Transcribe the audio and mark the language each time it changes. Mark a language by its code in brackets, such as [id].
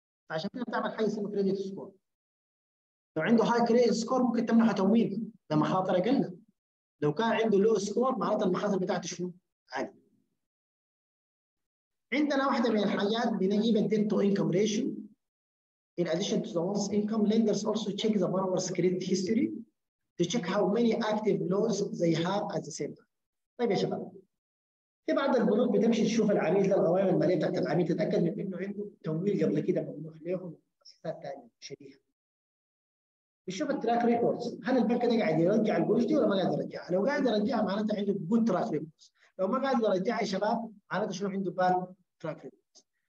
[ar] فعشان كده بتعمل حاجة اسمها كريدت سكور، لو عنده [en] high credit score [ar] ممكن تمنحه تمويل لمخاطر أقل. لو كان عنده لو سكور معناته المخاطر بتاعته شنو؟ عالي. عندنا واحده من الحاجات بنجيب [en] الديت to income ratio. In addition to the once income, lenders also check the borrower's credit history to check how many active loans they have at the same time. [ar] طيب يا شباب، في بعض البنوك بتمشي تشوف العميل ده القوائم الماليه بتاعت العميل، تتاكد من انه عنده تمويل قبل كده ممنوح ليهم ومؤسسات ثانيه شبيهه. بيشوف التراك ريكوردز، هل البنك ده قاعد يرجع القروش دي ولا ما قاعد يرجع؟ لو قاعد يرجع معناته عنده [en] good track records, [ar] لو ما قاعد يرجع يا شباب معناته شنو؟ عنده [en] Bad track records.